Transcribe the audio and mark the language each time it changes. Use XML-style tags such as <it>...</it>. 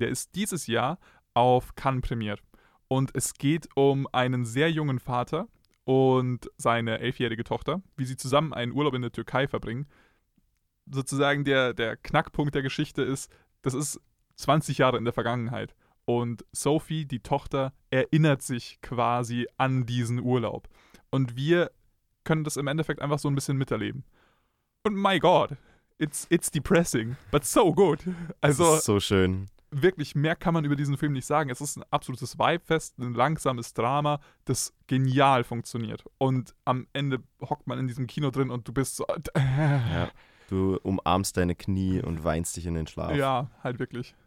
<de>Der ist dieses Jahr auf Cannes prämiert und es geht um einen sehr jungen Vater und seine 11-jährige Tochter, wie sie zusammen einen Urlaub in der Türkei verbringen. Sozusagen der Knackpunkt der Geschichte ist, das ist 20 Jahre in der Vergangenheit. Und Sophie, die Tochter, erinnert sich quasi an diesen Urlaub. Und wir können das im Endeffekt einfach so ein bisschen miterleben.</de> <en>Und my God, it's depressing, but so good.</en> <de>Also, ist so schön. Wirklich, mehr kann man über diesen Film nicht sagen. Es ist ein absolutes Vibe-Fest, ein langsames Drama, das genial funktioniert. Und am Ende hockt man in diesem Kino drin und du bist so... Ja, du umarmst deine Knie und weinst dich in den Schlaf. Ja, halt wirklich.</de>